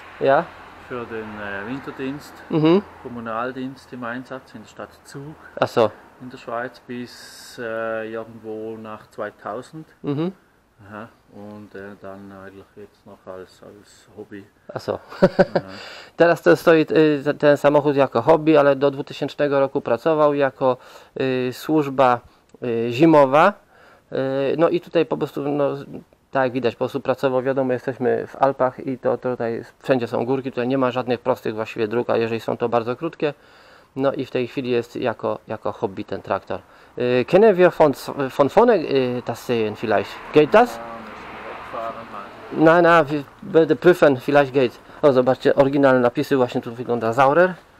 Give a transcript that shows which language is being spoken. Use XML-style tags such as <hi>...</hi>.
<de>Ja. Für den Winterdienst, Kommunaldienst im Einsatz in der Stadt Zug. Ach so. In der Schweiz bis irgendwo nach 2000. Und dann eigentlich jetzt noch als Hobby. Ach so.</de> <pl>Teraz to stoi ten samochód jako hobby, ale do 2000 roku pracował jako służba zimowa. No i tutaj po prostu, no, tak jak widać, po prostu pracował. Wiadomo, jesteśmy w Alpach i to tutaj wszędzie są górki, tutaj nie ma żadnych prostych właściwie dróg, a jeżeli są, to bardzo krótkie. No i w tej chwili jest jako hobby ten traktor.</pl> <de>Kennen wir von vorne das sehen vielleicht? Geht das? Na, będę prüfen, vielleicht geht.</de> <pl>O, zobaczcie, oryginalne napisy, właśnie tu wygląda Saurer.</pl>